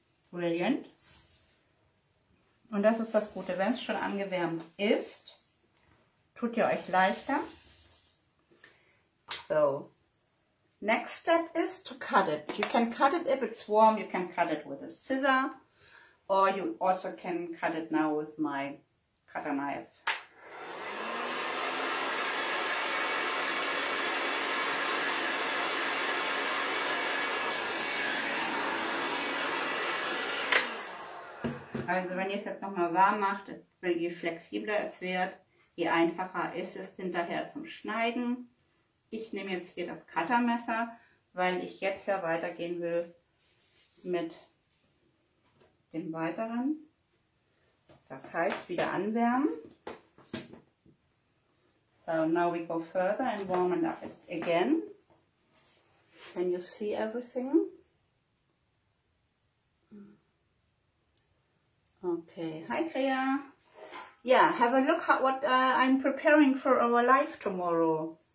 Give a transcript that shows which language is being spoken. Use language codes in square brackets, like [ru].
[de] Brilliant. Und das ist das Gute, wenn es schon angewärmt ist, tut ihr euch leichter. [en] So, next step is to cut it. You can cut it if it's warm, you can cut it with a scissor, or you also can cut it now with my cutter knife. [de] Also wenn ihr es jetzt nochmal warm macht, je flexibler es wird, je einfacher ist es hinterher zum Schneiden. Ich nehme jetzt hier das Cuttermesser, weil ich jetzt ja weitergehen will mit dem weiteren. Das heißt, wieder anwärmen. [en] So, now we go further and warm it up again. Can you see everything? Okay, hi Kriya. Yeah, have a look at what I'm preparing for our live tomorrow.